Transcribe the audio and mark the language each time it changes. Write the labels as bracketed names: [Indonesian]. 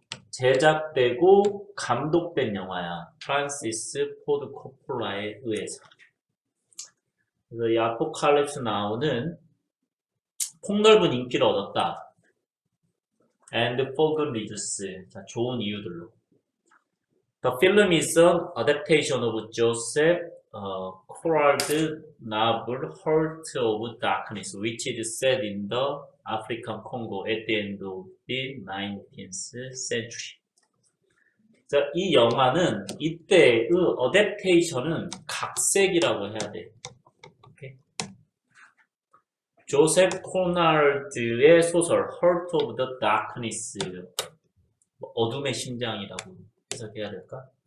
[Korean] 제작되고 감독된 영화야. 프란시스 포드 코폴라에 의해서. 그래서 이 아포칼립스 나우는 폭넓은 인기를 얻었다. [English] And for good reasons. 자, 좋은 이유들로. The film is an adaptation of Joseph Conrad's novel Heart of Darkness, which is set in the African Congo at the end of the 19th century. [Korean] 자, 이 영화는 이때 그 어댑테이션은 각색이라고 해야 돼. 조셉 코날드의 소설 Heart of the Darkness, 어둠의 심장이라고 해석해야 될까?